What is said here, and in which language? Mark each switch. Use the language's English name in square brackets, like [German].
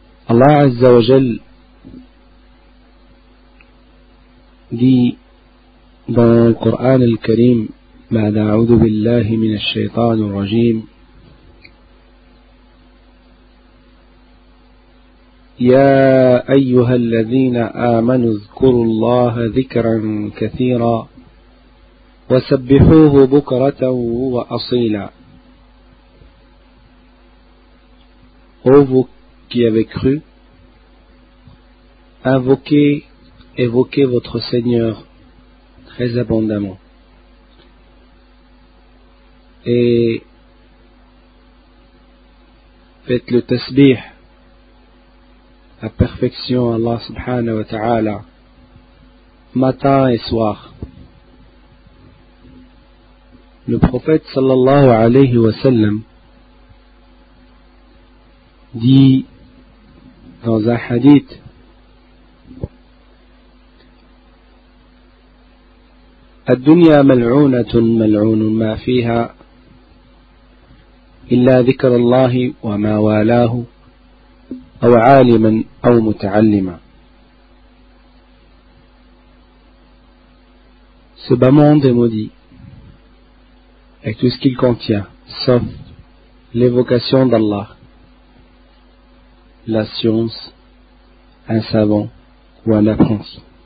[Arabic] الله عز وجل دي بالقرآن الكريم بعد أعوذ بالله من الشيطان الرجيم: يا أيها الذين آمنوا اذكروا الله ذكرا كثيرا وسبحوه بكرة وأصيلا. [French] Ô vous qui avez cru, évoquez votre Seigneur très abondamment. Et faites le tasbih à perfection Allah subhanahu wa ta'ala, matin et soir. Le prophète sallallahu alayhi wa sallam dit dans un hadith: [Arabic] الدنيا ملعونة ملعون ما فيها إلا ذكر الله وما والاه أو عالما أو متعلما. [French] Ce bas monde est maudit avec tout ce qu'il contient, sauf l'évocation d'Allah, la science, un savant ou un apprenti.